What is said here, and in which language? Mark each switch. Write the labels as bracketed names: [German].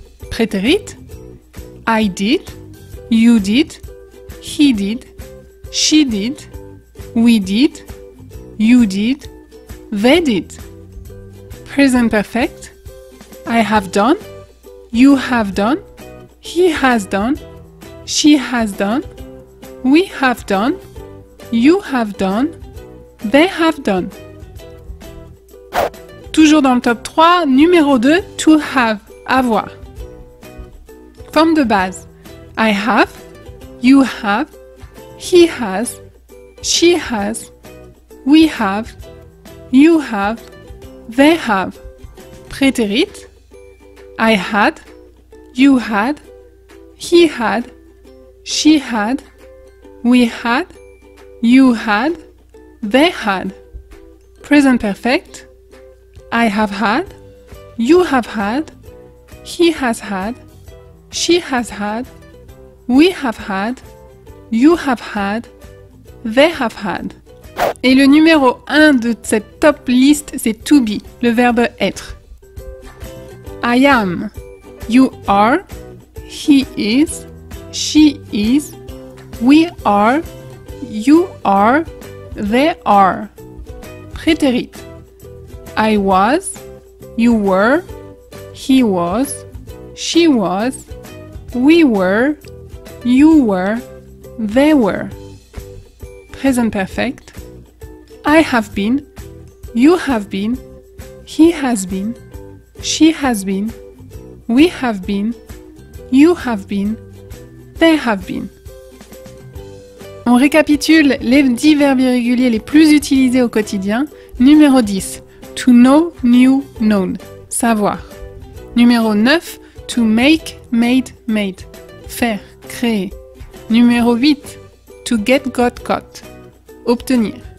[English] Préterit, I did, you did, he did, she did, we did, you did, they did. Present perfect, I have done, you have done, he has done, she has done, we have done, you have done, they have done. [French] Toujours dans le top 3, numéro 2, [English] to have, [French] avoir. Forme de base, [English] I have, you have, he has, she has, we have, you have, they have. Préterit, I had, you had, he had, she had, we had, you had, they had. Present perfect, I have had, you have had, he has had, she has had, we have had, you have had, they have had. [French] Et le numéro 1 de cette top liste, c'est [English] to be, [French] le verbe être. [English] I am, you are, he is, she is, we are, you are, they are. Préterit. I was, you were, he was, she was, we were, you were, they were. Present perfect. I have been, you have been, he has been, she has been, we have been, you have been, they have been. [French] On récapitule les 10 verbes irréguliers les plus utilisés au quotidien. [English] Numéro 10, to know, knew, known, savoir. Numéro 9, to make, made, made, [French] faire, créer. [English] Numéro 8, to get, got, obtenir.